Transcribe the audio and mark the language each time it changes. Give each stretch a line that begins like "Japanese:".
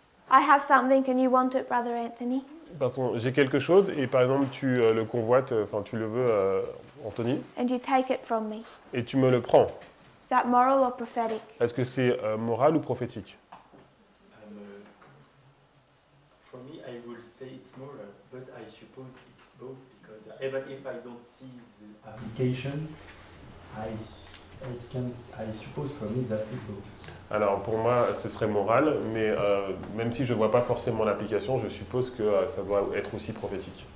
English: I have something and you want it, Brother Anthony.
French: Pardon, j'ai quelque chose et par exemple tu le convoites, enfin tu le veux, Anthony.
English: And you take it from me.
French: Et tu me le prends.
English: Is that moral or prophetic?
French: Est-ce que c'est moral ou prophétique?
English: For me, I will say it's moral, but I suppose it's both because even if I don't see the application, I suppose for me that it's both.
French: Alors, pour moi, ce serait moral, mais même si je ne vois pas forcément l'application, je suppose que ça doit être aussi prophétique.